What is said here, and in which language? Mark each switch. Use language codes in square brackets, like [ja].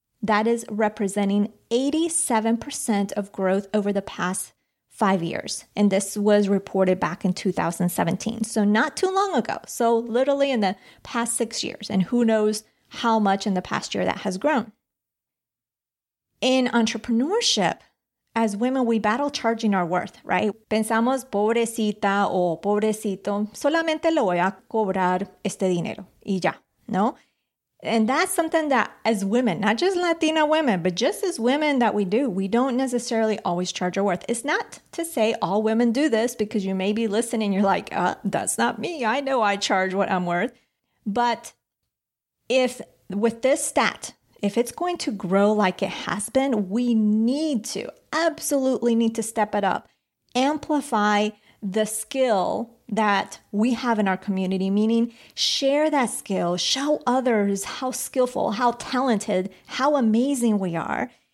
[en] That is representing 87% of growth over the past 5 years. And this was reported back in 2017. So not too long ago. So literally in the past 6 years. And who knows how much in the past year that has grown. In entrepreneurship, as women, we battle charging our worth, right? [es] Pensamos, pobrecita o pobrecito, solamente le voy a cobrar este dinero y ya, ¿no? [en] And that's something that as women, not just Latina women, but just as women that we do, we don't necessarily always charge our worth. It's not to say all women do this because you may be listening, you're like, that's not me. I know I charge what I'm worth. But if with this stat, if it's going to grow like it has been, we need to, absolutely need to step it up, amplify the skill that we have in our community, meaning share that skill, show others how skillful, how talented, how amazing we are.